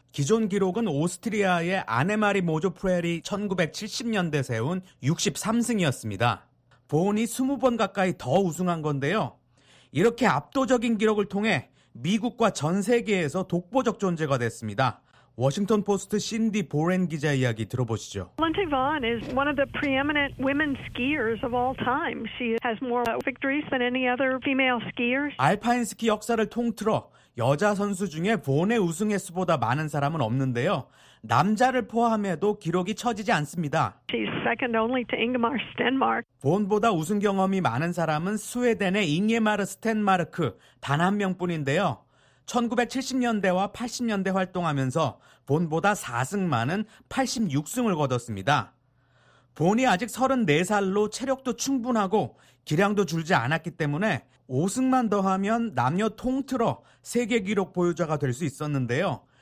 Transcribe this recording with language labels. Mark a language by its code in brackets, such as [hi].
[ko] 기존 기록은 오스트리아의 아네마리 모조프레리 1970년대 세운 63승이었습니다. 본이 20번 가까이 더 우승한 건데요. 이렇게 압도적인 기록을 통해 미국과 전 세계에서 독보적 존재가 됐습니다. 워싱턴 포스트 신디 보렌 기자 이야기 들어보시죠. [en] Lindsey Vonn is one of the preeminent women skiers of all time. She has more victories than any other female skier. [ko] 알파인 스키 역사를 통틀어 여자 선수 중에 본의 우승 횟수보다 많은 사람은 없는데요. 남자를 포함해도 기록이 처지지 않습니다. [en] She's second only to Ingemar Stenmark. [ko] 본보다 우승 경험이 많은 사람은 스웨덴의 잉게마르 스텐마르크 단 한 명뿐인데요. 1970년대와 80년대 활동하면서 본보다 4승 많은 86승을 거뒀습니다. 본이 아직 34살로 체력도 충분하고 기량도 줄지 않았기 때문에 5승만 더하면 남녀 통틀어 세계 기록 보유자가 될 수 있었는데요.